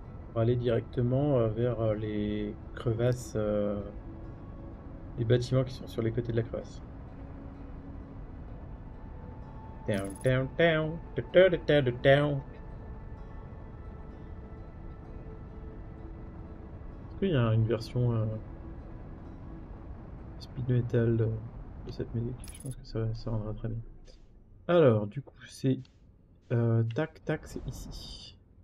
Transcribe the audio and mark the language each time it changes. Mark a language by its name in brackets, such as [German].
[French] On va aller directement vers les crevasses, les bâtiments qui sont sur les côtés de la crevasse. [English] Down, down, down, down, down, down, down. [French] Il y a une version speed metal de cette musique, je pense que ça rendra très bien. Alors, du coup, c'est tac tac, c'est ici.